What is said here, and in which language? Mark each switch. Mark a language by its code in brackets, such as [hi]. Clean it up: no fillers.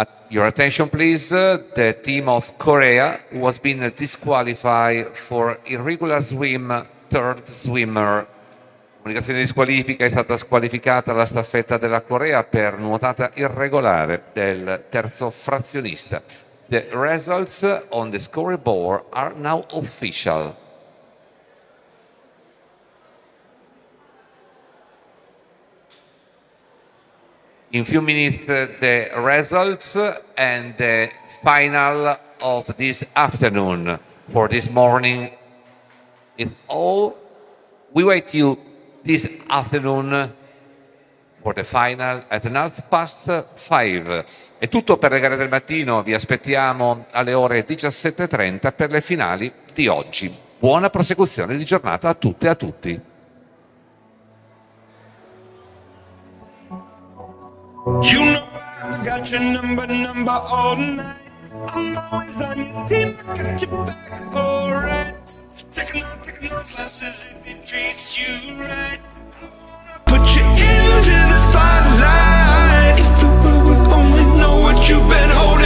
[en] Your attention, please. The team of Korea was being disqualified for irregular swim, third swimmer. [it] Comunicazione di squalifica, è stata squalificata la staffetta della Corea per nuotata irregolare del terzo frazionista. [en] The results on the scoreboard are now official. In few minutes, the results and the final of this afternoon for this morning. It all, we wait you this afternoon for the final at 5:30. [it] È tutto per le gare del mattino. Vi aspettiamo alle ore 17:30 per le finali di oggi. Buona prosecuzione di giornata a tutte e a tutti. [en] You know I got your number all night. I'm always on your team, I got your back, alright. Take no classes if it treats you right. Put you into the spotlight. If the world would only know what you've been.